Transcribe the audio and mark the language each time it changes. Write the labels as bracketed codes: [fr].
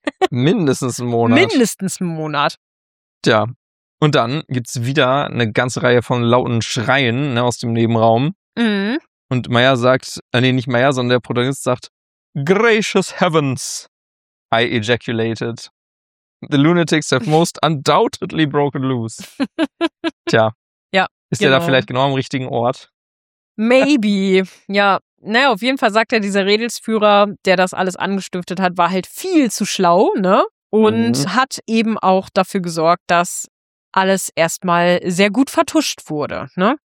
[de] Mindestens einen Monat. Tja, und dann gibt's wieder eine ganze Reihe von lauten Schreien, ne, aus dem Nebenraum. Mhm. Und Maya sagt, nee, nicht Maya, sondern der Protagonist sagt, [en] "Gracious heavens, I ejaculated. The lunatics have most undoubtedly broken loose." [de] Tja, ja, ist genau. Der da vielleicht genau am richtigen Ort? [en] Maybe, ja. [de] Naja, auf jeden Fall sagt er, dieser Redelsführer, der das alles angestiftet hat, war halt viel zu schlau, ne? Und hat eben auch dafür gesorgt, dass alles erstmal sehr gut vertuscht wurde, ne?